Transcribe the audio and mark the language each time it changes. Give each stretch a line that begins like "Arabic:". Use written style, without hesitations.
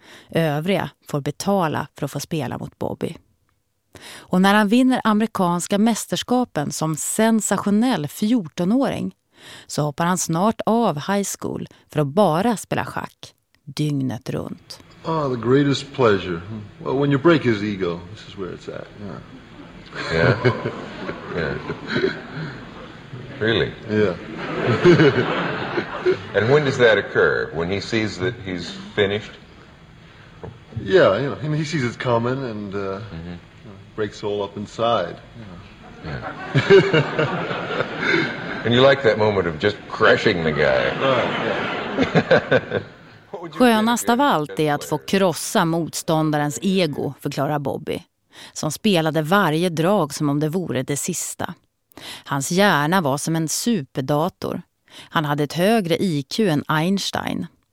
Swedish: Övriga får betala för att få spela mot Bobby. Och när han vinner amerikanska mästerskapen som sensationell 14-åring så hoppar han snart av high school för att bara spela schack dygnet runt.
English: Oh, the greatest pleasure. Well, when you break his ego, this is where it's at. Yeah. Yeah. Yeah. Really? Yeah. And when does that occur? When he sees that he's finished? Yeah, you know, he sees it coming and breaks all up inside. Yeah. And you like that moment of just crushing the guy.
Swedish: Skönast av allt är att få krossa motståndarens ego, förklarar Bobby, som spelade varje drag som om det vore det sista. Hans hjärna var som en superdator. Han hade ett högre IQ än Einstein.